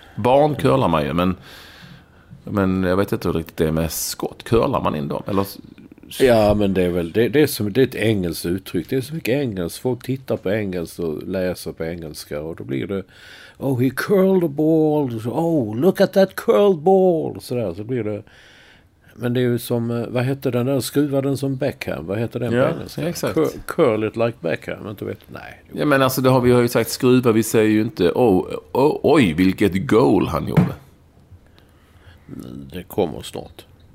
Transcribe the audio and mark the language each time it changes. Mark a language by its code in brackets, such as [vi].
[sv] Barn curlar man ju, men jag vet inte hur riktigt det är med skott. Curlar man in dem? Eller... Ja, men det är väl det är som det är ett engelskt uttryck. Det är så mycket engelskt. Folk tittar på engelskt och läser på engelska, och då blir det [en] oh, he curled the ball. Oh, look at that curled ball. [sv] Så där, så blir det. Men det är ju som, vad heter den där skruvaren som Beckham? Vad heter den på engelska? Ja, exakt. [en] Curl it like Beckham, [sv] men du vet, nej. Ja, men alltså det har vi ju sagt, skruva, vi säger ju inte oj, vilket goal han gjorde. Det kommer snart.